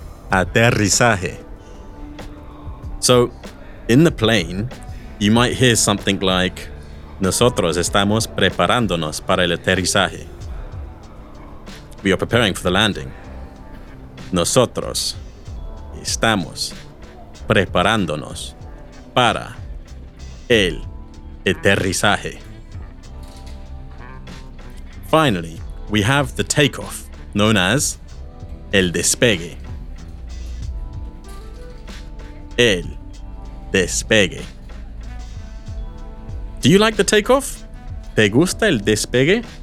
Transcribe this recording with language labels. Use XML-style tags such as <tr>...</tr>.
<en>Aterrizaje. So, in the plane, you might hear something like</en> <es>nosotros estamos preparándonos para el aterrizaje.</es> <en>We are preparing for the landing.</en> <es>Nosotros estamos preparándonos para el aterrizaje.</es> <en>Finally, we have the takeoff, known as el despegue.</en> <es>El despegue.</es> <en>Do you like the takeoff?</en> <es>¿Te gusta el despegue?</es>